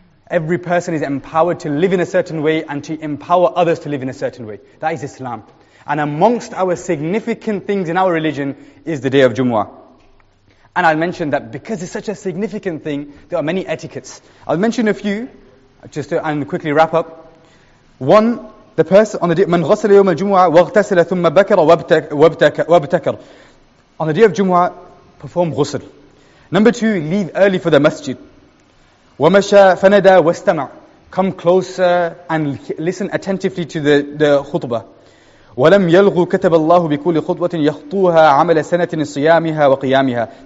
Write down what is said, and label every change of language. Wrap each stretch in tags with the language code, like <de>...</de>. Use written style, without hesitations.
<en>Every person is empowered to live in a certain way and to empower others to live in a certain way. That is Islam. And amongst our significant things in our religion is the day of Jumu'ah. And I'll mention that because it's such a significant thing, there are many etiquettes. I'll mention a few, and quickly wrap up. One, the person on the day,</en> <ar>من غسل يوم الجمعة واغتسل ثم بكر وابتكر.</ar> <en>On the day of Jumu'ah, perform ghusl. Number two, leave early for the masjid.</en> <ar>ومشى فندى واستمع.</ar> <en>Come closer and listen attentively to the khutbah.</en> <ar>وَلَمْ يَلْغُوا كَتَبَ اللَّهُ بِكُولِ خُطْوَةٍ يَخْطُوهَا عَمَلَ سَنَةٍ صِيَامِهَا وَقِيَامِهَا.</ar>